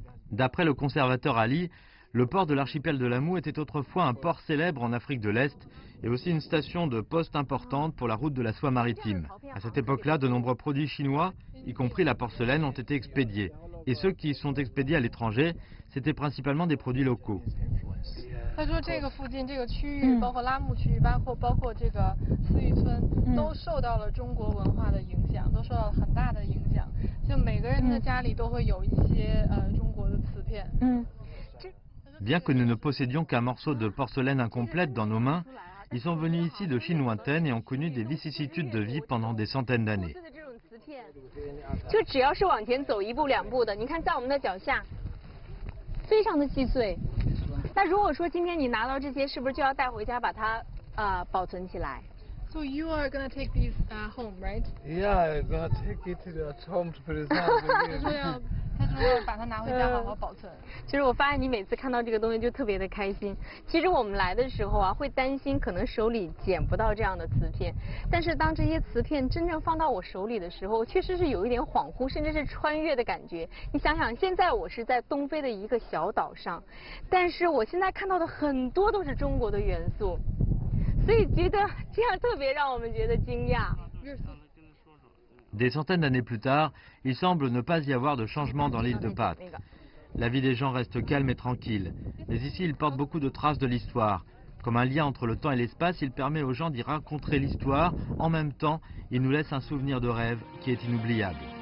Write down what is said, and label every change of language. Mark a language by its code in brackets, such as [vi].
[fr] d'après le conservateur Ali, le port de l'archipel de Lamu était autrefois un port célèbre en Afrique de l'Est et aussi une station de poste importante pour la route de la soie maritime. À cette époque-là, de nombreux produits chinois, y compris la porcelaine, ont été expédiés. Et ceux qui sont expédiés à l'étranger, c'était principalement des produits locaux. [zh] 他说这个附近这个区域包括拉木区域包括这个思玉村都受到了中国文化的影响都受到了很大的影响就每个人的家里都会有一些中国的瓷片 [fr] Bien que nous ne possédions qu'un morceau de porcelaine incomplète dans nos mains, ils sont venus ici de Chine lointaine et ont connu des vicissitudes de vie pendant des centaines d'années. [zh] 就只要是往前走一步两步的你看在我们的脚下非常的细碎那如果说今天你拿到这些，是不是就要带回家把它保存起来 [en] ？So you are gonna take these home, right? Yeah, I'm gonna take it to the home to preserve. [zh] 他说要把它拿回家好好保存。其实我发现你每次看到这个东西就特别的开心。其实我们来的时候啊，会担心可能手里捡不到这样的瓷片，但是当这些瓷片真正放到我手里的时候，确实是有一点恍惚，甚至是穿越的感觉。你想想，现在我是在东非的一个小岛上，但是我现在看到的很多都是中国的元素，所以觉得这样特别让我们觉得惊讶。 [fr] Des centaines d'années plus tard, il semble ne pas y avoir de changement dans l'île de Pâtes. La vie des gens reste calme et tranquille. Mais ici, il porte beaucoup de traces de l'histoire. Comme un lien entre le temps et l'espace, il permet aux gens d'y rencontrer l'histoire. En même temps, il nous laisse un souvenir de rêve qui est inoubliable.